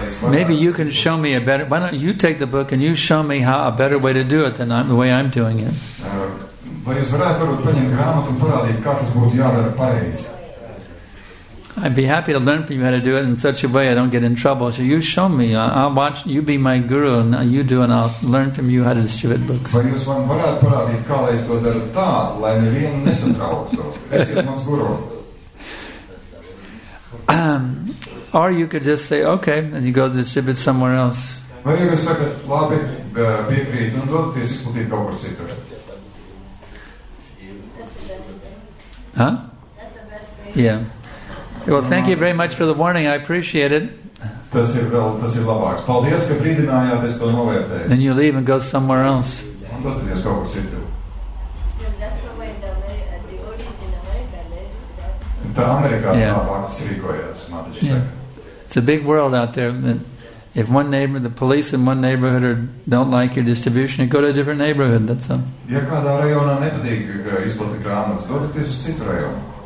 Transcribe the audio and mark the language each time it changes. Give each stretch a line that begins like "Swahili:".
English: Maybe you can show me a better... Why don't you take the book and you show me how a better way to do it than the way I'm doing it.
Latvian: Vai jūs varētu varbūt paņemt grāmatu un parādīt, kā tas būtu jādara pareizi?
English: I'd be happy to learn from you how to do it in such a way I don't get in trouble. So you show me, I'll watch, you be my guru, and you do, and I'll learn from you how to distribute books.
Latvian: Vai jūs man varētu parādīt, kā lai es to daru tā, lai nevien nesatrauktu? Esiet mans guru.
English: Or you could just say, okay, and you go distribute somewhere else.
Latvian: Vai jūs sakat, labi, piekrīt, un dodaties izplatīt kaut kur citur? Huh?
English: That's the best thing. Yeah. Well, thank you very much for the warning. I appreciate it.
Latvian: Tas ir labāks. Paldies, ka brīdinājāt, es to novērtēju.
English: Then you leave and go somewhere else.
Latvian: Un doties kaut kur citur.
English: That's the way the audience in America live.
Latvian: Tā Amerikā labāks rīkojās, Matiņš saka.
English: It's a big world out there. If one neighbor, the police in one neighborhood or don't like your distribution, you go to a different neighborhood, that's all.
Latvian: Ja kādā rajonā nepatīk izplatīt grāmatas, dodaties uz citu rajonu.